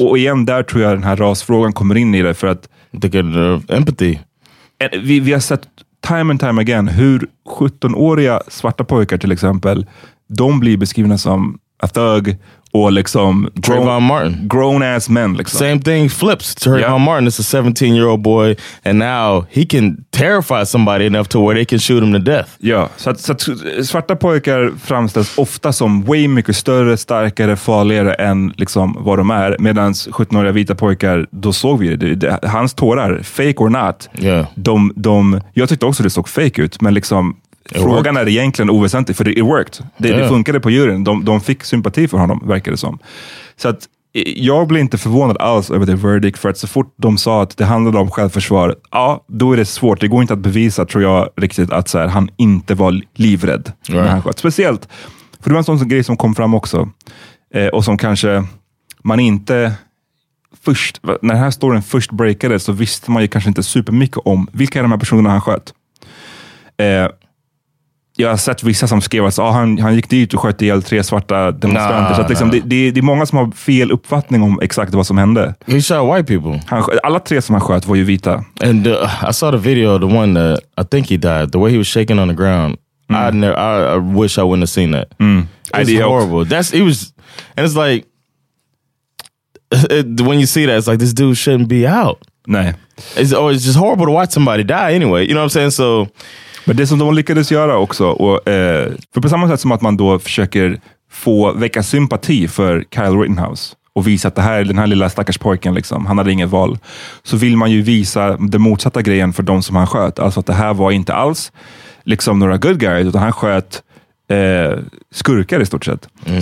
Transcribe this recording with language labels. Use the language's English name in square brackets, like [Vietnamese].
[Swedish] Och igen, där tror jag den här rasfrågan kommer in i det, för att [English] empathy. [Swedish] Vi har sett [English] time and time again [Swedish] hur 17-åriga svarta pojkar till exempel, de blir beskrivna som [English] a thug [Swedish] och liksom [English] Trayvon Martin. Grown ass men liksom. Same thing flips to Trayvon Martin. It's a 17-year-old boy and now he can terrify somebody enough to where they can shoot him to death. [Swedish] Ja, så att svarta pojkar framställs ofta som [English] way [Swedish] mycket större, starkare, farligare än liksom vad de är. Medan 17-åriga vita pojkar, då såg vi det. Hans tårar, [English] fake or not, [Swedish] de, jag tyckte också det såg fake ut, men liksom frågan är egentligen oväsentlig, för [English] it worked. [Swedish] Det funkade på juryn. De fick sympati för honom, verkar det som. Så att jag blev inte förvånad alls över det verdict, för att så fort de sa att det handlade om självförsvar, ja, då är det svårt. Det går inte att bevisa, tror jag, riktigt att så här, han inte var livrädd. [English] Right. [Swedish] När han sköt. Speciellt, för det var en sån grej som kom fram också, och som kanske man inte först, när den här storyn först breakade, så visste man ju kanske inte super mycket om vilka är de här personerna han sköt. Jag har sett vissa som skrev att han gick dit och sköt ihjäl tre svarta demonstranter. Nah, så att liksom, det är många som har fel uppfattning om exakt vad som hände. [English] He shot white people. [Swedish] Alla tre som han sköt var ju vita. [English] And I saw the video, the one that I think he died, the way he was shaking on the ground. I wish I wouldn't have seen that. It's horrible. And it's like, when you see that, it's like, this dude shouldn't be out. [Swedish] Nej. [English] It's just horrible to watch somebody die anyway. You know what I'm saying? So... [Swedish] Men det som de lyckades göra också, och, för på samma sätt som att man då försöker få väcka sympati för Kyle Rittenhouse och visa att det här, den här lilla stackars pojken, liksom, han hade ingen val, så vill man ju visa den motsatta grejen för de som han sköt. Alltså att det här var inte alls liksom några [English] good guys, [Swedish] utan han sköt skurkar i stort sett. Mm.